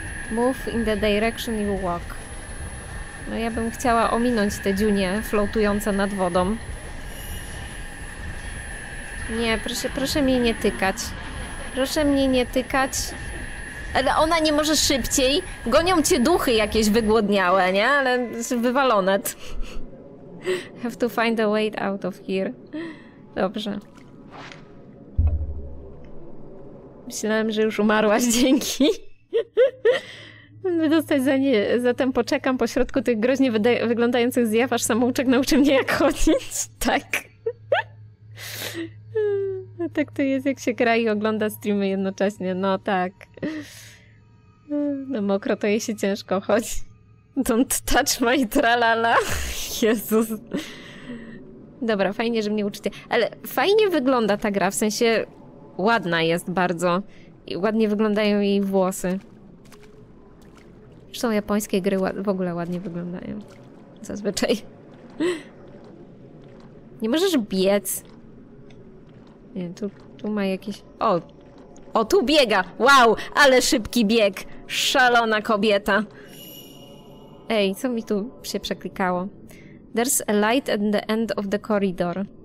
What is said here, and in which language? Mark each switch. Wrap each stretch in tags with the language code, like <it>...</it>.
<en>Move in the direction you walk.</en> <pl>No ja bym chciała ominąć te dziunie floatujące nad wodą. Nie, proszę, proszę mnie nie tykać. Proszę mnie nie tykać. Ale ona nie może szybciej. Gonią cię duchy jakieś wygłodniałe, nie? Ale wywalone.</pl> <en>Have to find a way out of here.</en> <pl>Dobrze. Myślałem, że już umarłaś, dzięki. Będę dostać za nie. Zatem poczekam pośrodku tych groźnie wyglądających zjaw, aż samouczek nauczy mnie jak chodzić. Tak. A tak to jest, jak się gra i ogląda streamy jednocześnie. No tak. No mokro, to jej się ciężko chodzi.</pl> <en>Don't touch my tralala.</en> <pl>Jezus. Dobra, fajnie, że mnie uczycie. Ale fajnie wygląda ta gra, w sensie ładna jest bardzo. I ładnie wyglądają jej włosy. Zresztą japońskie gry w ogóle ładnie wyglądają. Zazwyczaj. Nie możesz biec. Nie, tu ma jakieś... O! O, tu biega! Wow! Ale szybki bieg! Szalona kobieta! Ej, co mi tu się przeklikało?</pl> <en>There's a light at the end of the corridor.</en>